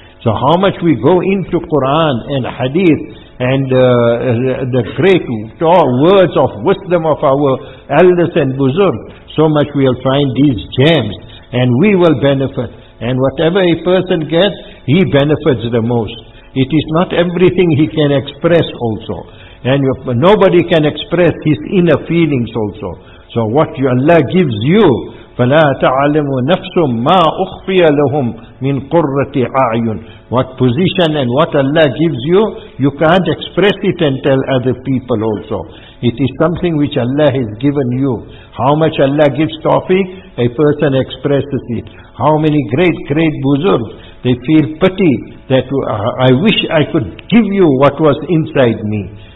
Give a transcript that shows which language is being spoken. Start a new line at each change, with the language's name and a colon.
English: So how much we go into Quran and Hadith and the great words of wisdom of our elders and buzurg, so much we will find these gems and we will benefit. And whatever a person gets, he benefits the most. It is not everything he can express also. And nobody can express his inner feelings also. So what Allah gives you,
Arabic: فَلَا تَعْلَمُ نَفْسٌ مَا أُخْفِيَ لَهُمْ مِنْ قُرَّةِ أَعْيُنٍ.
English: What position and what Allah gives you, you can't express it and tell other people also. It is something which Allah has given you. How much Allah gives tawfiq, a person expresses it. How many great, great buzurgs, they feel pity that I wish I could give you what was inside me.